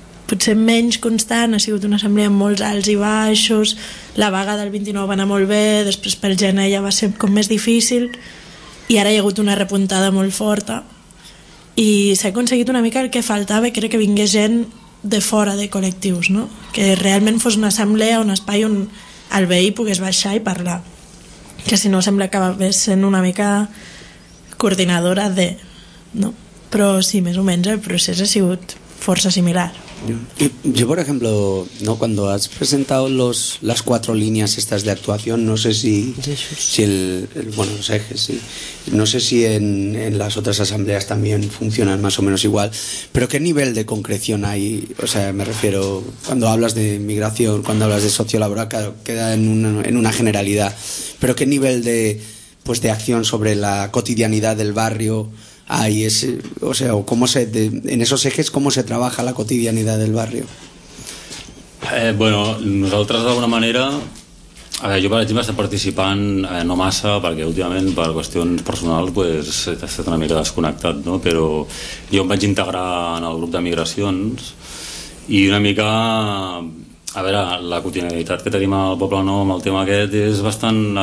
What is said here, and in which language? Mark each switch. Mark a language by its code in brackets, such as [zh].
[ca] Potser menys constant, ha sigut una assemblea amb molts alts i baixos, la vaga del 29 va anar molt bé, després pel gener ja va ser com més difícil, i ara hi ha hagut una repuntada molt forta, i s'ha aconseguit una mica el que faltava, que era que vingués gent de fora de col·lectius, no? Que realment fos una assemblea, un espai on el veí pogués baixar i parlar, que si no sembla que va sent una mica coordinadora de... No? Però sí, més o menys el procés ha sigut força similar. [es] Yo, por ejemplo, ¿no? Cuando has presentado las cuatro líneas estas de actuación, no sé si bueno, los ejes, sí. No sé si en las otras asambleas también funcionan más o menos igual, pero ¿qué nivel de concreción hay? O sea, me refiero, cuando hablas de migración, cuando hablas de sociolaboral, claro, queda en una generalidad, pero ¿qué nivel de, pues, de acción sobre la cotidianidad del barrio hay? O sea, ¿cómo en esos ejes cómo se trabaja la cotidianidad del barrio? [ca] Bueno, nosaltres d'alguna manera A veure, jo per exemple estic participant no massa, perquè últimament per qüestions personals pues, he estat una mica desconnectat, no? Però jo em vaig integrar en el grup de migracions i una mica, a veure, la quotidianitat que tenim al Poblenou amb el tema aquest és bastant